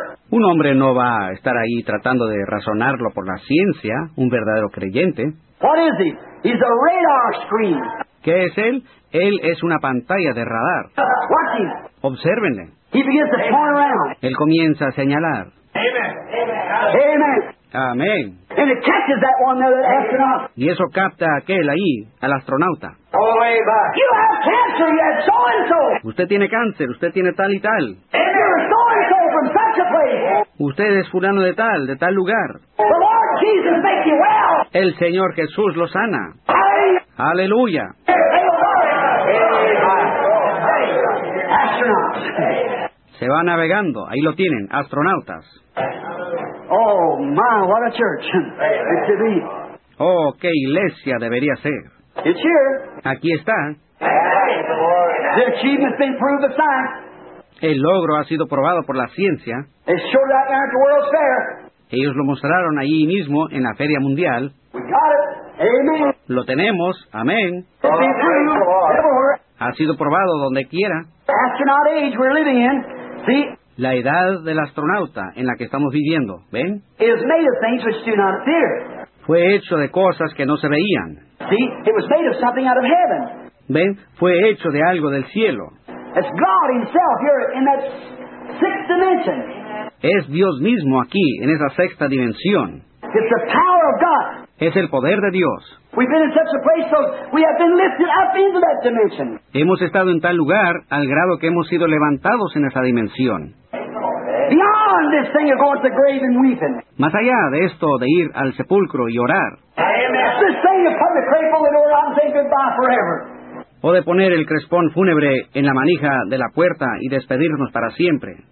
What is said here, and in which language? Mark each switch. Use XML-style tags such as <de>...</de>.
<es>Un hombre no va a estar ahí tratando de razonarlo por la ciencia, un verdadero creyente.</es> <en>What is he? He's a radar screen.</en> <es>¿Qué es él? Él es una pantalla de radar.</es> <en>Watching.</en> <es>Obsérvenle.</es> <en>He begins to point around.</en> <es>Él comienza a señalar. Amen. Amen. Amen. Amén.</es> <en>And it catches that one there, that astronaut.</en> <es>Y eso capta a aquel ahí, al astronauta.</es> <en>All the way back. You have cancer, you have so and so.</en> <es>Usted tiene cáncer, usted tiene tal y tal.</es> <en>And you're so and so from such a place.</en> <es>Usted es fulano de tal lugar.</es> <en>The Lord Jesus makes you well.</en> <es>El Señor Jesús lo sana. Hey. Aleluya.</es> <en>Hey, astronauts.</en> <es>Se va navegando, ahí lo tienen, astronautas.</es> <en>Oh, my, what a church it should be.</en> <es>Oh, qué iglesia debería ser.</es> <en>It's here.</en> <es>Aquí está.</es> <en>The achievement's been proved by science.</en> <es>El logro ha sido probado por la ciencia.</es> <en>It showed out there at the World's Fair.</en> <es>Ellos lo mostraron allí mismo en la Feria Mundial.</es> <en>We got it. Amen.</en> <es>Lo tenemos. Amén.</es> <en>It's been proved everywhere.</en> <es>Ha sido probado donde quiera.</es> <en>The astronaut age we're living in. See?</en> <es>La edad del astronauta en la que estamos viviendo, ¿ven?</es> <en>It was made of things which do not appear.</en> <es>Fue hecho de cosas que no se veían.</es> <en>See, it was made of something out of heaven.</en> <es>¿Ven? Fue hecho de algo del cielo.</es> <en>It's God himself here in that sixth dimension.</en> <es>Es Dios mismo aquí, en esa sexta dimensión.</es> <en>It's the power of God.</en> <es>Es el poder de Dios.</es> <en>We've been in such a place so we have been lifted up into that dimension.</en> <es>Hemos estado en tal lugar al grado que hemos sido levantados en esa dimensión.</es> <en>Beyond this thing of going to the grave and weeping.</en> <es>Más allá de esto de ir al sepulcro y orar. Amen.</es> <en>just the same to put the crape on the door and say goodbye forever.</en> <es>O de poner el crespón fúnebre en la manija de la puerta y despedirnos para siempre.</es>